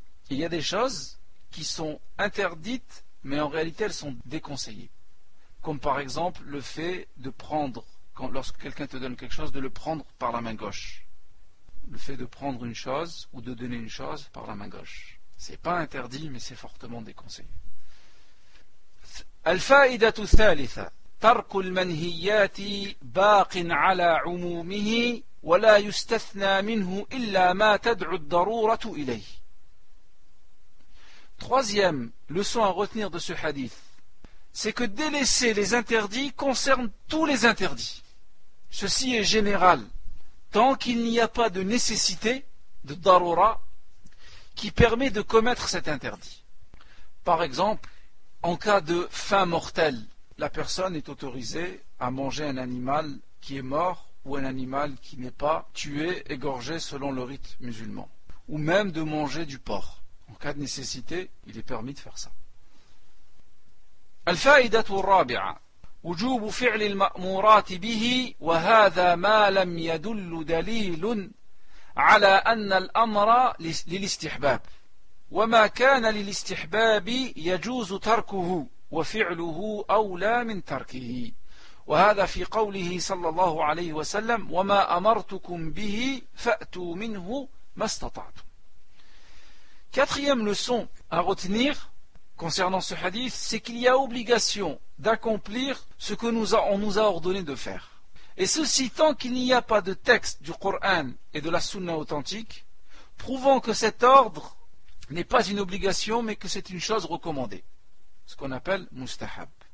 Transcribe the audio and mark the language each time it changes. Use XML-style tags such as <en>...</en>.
<fr>Il y a des choses qui sont interdites, mais en réalité elles sont déconseillées, comme par exemple le fait de prendre, lorsque quelqu'un te donne quelque chose, de le prendre par la main gauche. Le fait de prendre une chose ou de donner une chose par la main gauche, c'est pas interdit, mais c'est fortement déconseillé.</fr> <ar>الفائدة الثالثة: ترك المنهيات باق على عمومه ولا يستثنى منه إلا ما تدعو الضرورة إليه.</ar> <fr>Troisième leçon à retenir de ce hadith, c'est que délaisser les interdits concerne tous les interdits. Ceci est général, tant qu'il n'y a pas de nécessité, de darura, qui permet de commettre cet interdit. Par exemple, en cas de faim mortelle, la personne est autorisée à manger un animal qui est mort ou un animal qui n'est pas tué, égorgé selon le rite musulman. Ou même de manger du porc. En cas de nécessité, il est permis de faire ça.</fr> <ar>الفائدة الرابعة: وجوب فعل المأمورات به، وهذا ما لم يدل دليل على أن الأمر للاستحباب، وما كان للاستحباب يجوز تركه وفعله أولى من تركه، وهذا في قوله صلى الله عليه وسلم: وما أمرتكم به فأتوا منه ما استطعتم.</ar> <fr>Quatrième leçon à retenir concernant ce hadith, c'est qu'il y a obligation d'accomplir ce que on nous a ordonné de faire. Et ceci tant qu'il n'y a pas de texte du Coran et de la Sunna authentique prouvant que cet ordre n'est pas une obligation mais que c'est une chose recommandée, ce qu'on appelle mustahab.</fr>